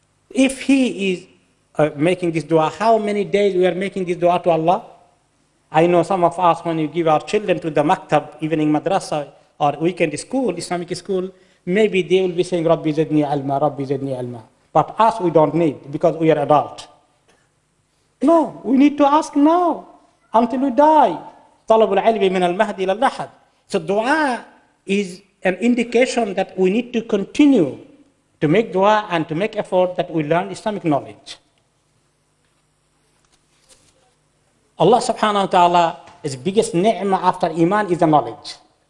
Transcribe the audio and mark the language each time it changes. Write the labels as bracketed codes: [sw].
[en] If he is making this dua, how many days we are making this dua to Allah? I know some of us, when you give our children to the maktab, evening madrasa or weekend school, Islamic school, maybe they will be saying [ar] Rabbi zidni ilma, Rabbi zidni ilma. [en] But us, we don't need, because we are adult. No, we need to ask now. Until we die. [ar] طلب العلم من المهدي إلى اللحد. [en] So dua is an indication that we need to continue to make dua and to make effort that we learn Islamic knowledge. Allah subhanahu wa ta'ala, his biggest ni'mah after iman is the knowledge.